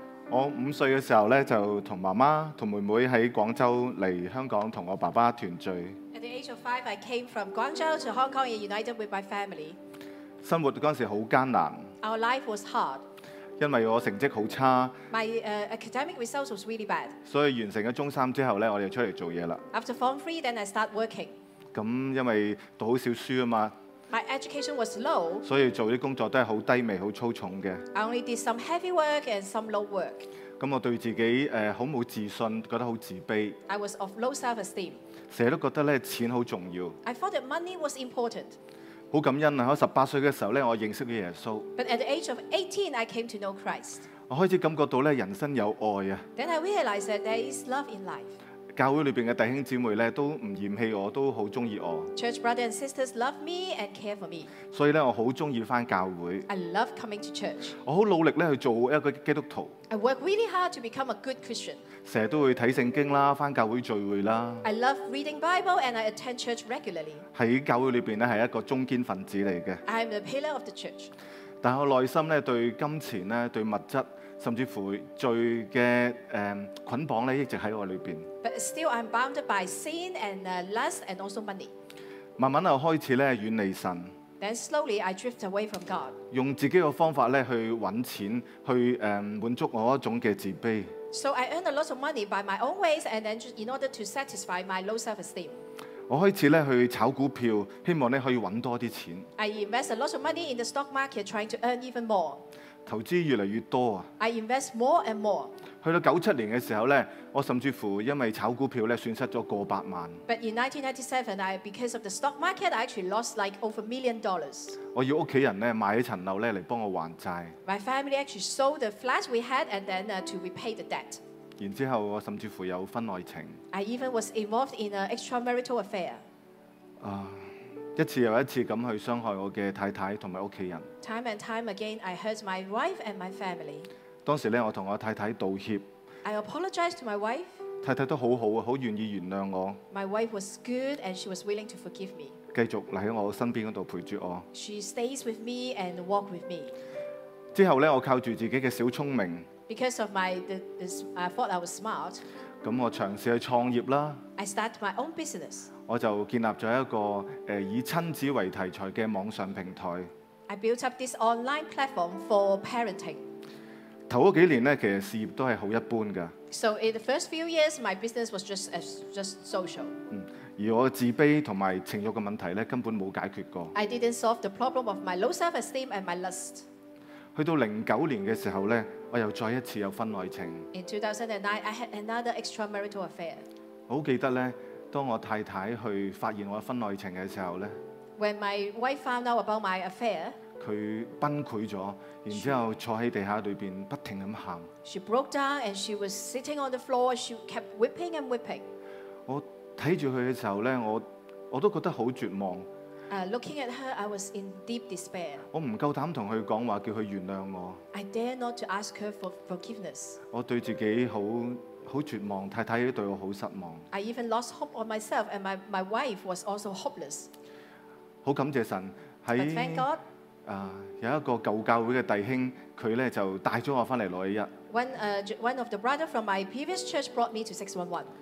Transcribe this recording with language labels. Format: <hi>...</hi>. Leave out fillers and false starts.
<yue>我5岁嘅时候咧，就同妈妈同妹妹喺广州嚟香港同我爸爸团聚。</yue> <en>At the age of 5, I came from Guangzhou to Hong Kong and united with my family.</en> <yue>生活嗰阵时好艰难。</yue> <en>Our life was hard.</en> <yue>因为我成绩好差。</yue> <en>My academic results was really bad.</en> <yue>所以完成咗中三之后咧，我哋出嚟做嘢啦。</yue> <en>After form 3, then I start working.</en> <yue>咁因为读好少书啊嘛。</yue> <en>My education was low,</en> <yue>所以做啲工作都係好低微、好粗重嘅。</yue> <en>I only did some heavy work and some low work.</en> <yue>咁我對自己好冇自信，覺得好自卑。</yue> <en>I was of low self-esteem.</en> <yue>成日都覺得咧錢好重要。</yue> <en>I thought that money was important.</en> <yue>好感恩啊！喺18岁嘅時候咧，我認識咗耶穌。</yue> <en>But at the age of 18, I came to know Christ.</en> <yue>我開始感覺到咧人生有愛啊。</yue> <en>Then I realized that there is love in life.</en> <yue>教会里边嘅弟兄姊妹咧都唔嫌弃我，都好中意我。</yue> <en>Church brothers and sisters love me and care for me。</en> <yue>所以咧，我好中意翻教会。</yue> <en>I love coming to church。</en> <yue>我好努力咧去做一个基督徒。</yue> <en>I work really hard to become a good Christian。</en> <yue>成日都会睇圣经啦，翻教会聚会啦。</yue> <en>I love reading Bible and I attend church regularly。</en> <yue>喺教会里边咧系一个中坚分子嚟嘅。</yue> <en>I'm the pillar of the church。</en> <yue>但系我内心咧对金钱咧对物质甚至乎罪嘅捆绑咧，一直喺我里边。</yue> <en>But still, I'm bound by sin and lust and also money.</en> <yue>慢慢又开始咧远离神。</yue> <en>Then slowly, I drift away from God.</en> <yue>用自己嘅方法咧去搵钱，去满足我一种嘅自卑。</yue> <en>So I earn a lot of money by my own ways, and then in order to satisfy my low self-esteem.</en> <yue>我開始去炒股票，希望可以賺多些錢。</yue> <en>I invest a lot of money in the stock market, trying to earn even more.</en> <yue>投資越來越多。</yue> <en>I invest more and more.</en> <yue>去到97年的時候，我甚至乎因為炒股票損失了過百萬。</yue> <en>But in 1997, because of the stock market, I actually lost like over $1 million.</en> <yue>我要家人買一層樓來幫我還債。</yue> <en>My family actually sold the flat we had and then to repay the debt.</en> <yue>然之後，我甚至乎有婚外情。</yue> <en>I even was involved in an extramarital affair.</en> <yue>一次又一次咁去傷害我嘅太太同埋屋企人。</yue> <en>Time and time again, I hurt my wife and my family.</en> <yue>當時我同我太太道歉。</yue> <en>I apologized to my wife.</en> <yue>太太都好好啊，好願意原諒我。</yue> <en>My wife was good and she was willing to forgive me.</en> <yue>繼續嚟喺我身邊嗰度陪住我。</yue> <en>She stays with me and walk with me.</en> <yue>之後我靠住自己嘅小聰明。</yue> <en>Because of my, I thought I was smart.</en> <yue>咁我嘗試去創業啦。</yue> <en>I start my own business.</en> <yue>我就建立咗一個以親子為題材嘅網上平台。</yue> <en>I built up this online platform for parenting.</en> <yue>頭嗰幾年咧，其實事業都係好一般噶。</yue> <en>So in the first few years, my business was just social.</en> <yue>而我自卑同埋情慾嘅問題咧，根本冇解決過。</yue> <en>I didn't solve the problem of my low self-esteem and my lust.</en> <yue>去到2009年嘅時候咧。我又再一次有婚外情。</yue> <en>In 2009, I had another extramarital affair.</en> <yue>我記得咧，當我太太去發現我婚外情嘅時候咧</yue> <en>，When my wife found out about my affair，</en> <yue>佢崩潰咗，然之後坐喺地下裏邊不停咁喊。</yue> <en>She broke down and she was sitting on the floor. She kept weeping and weeping.</en> <yue>我睇住佢嘅時候咧，我都覺得好絕望。</yue> <en>Looking at her, I was in deep despair.</en> <yue>我唔夠膽同佢講話，叫佢原諒我。</yue> <en>I dare not to ask her for forgiveness.</en> <yue>我對自己好絕望，太太亦對我好失望。</yue> <en>I even lost hope on myself, and my wife was also hopeless.</en> <yue>好感謝神喺。</yue> <en>But thank God.</en> <yue>有一個舊教會嘅弟兄，佢咧就帶咗我翻嚟六一一。</yue> <en>One of the brother from my previous church brought me to 611.</en>